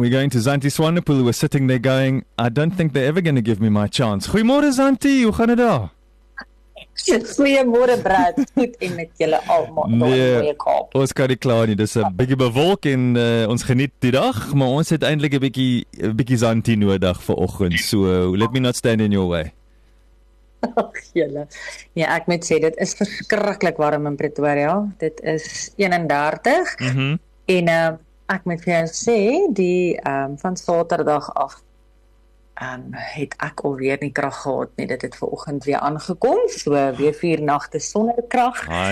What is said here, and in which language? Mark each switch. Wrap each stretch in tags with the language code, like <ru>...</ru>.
<en>We're going to Zanti Swanepoel, who are sitting there going, I don't think they're ever going to give me my chance.</en> <af>Goeiemôre Zanti, hoe gaan dit daar? Goeiemôre Brad, goed en met julle almal. Nee, ons kan nie klaar nie, dis 'n bietjie bewolk en ons geniet die dag, maar ons het eintlik 'n bietjie Zanti nodig vir oggend,</af> <en>so let me not stand in your way.</en> <af>Ach, julle. Ja, ek moet sê, dit is verskriklik warm in Pretoria, dit is 31 en ek moet vir jou sê, die van Saterdag af het ek alweer nie krag gehad nie, dit het vir oggend weer aangekom, so weer 4 nagte sonder krag.</af>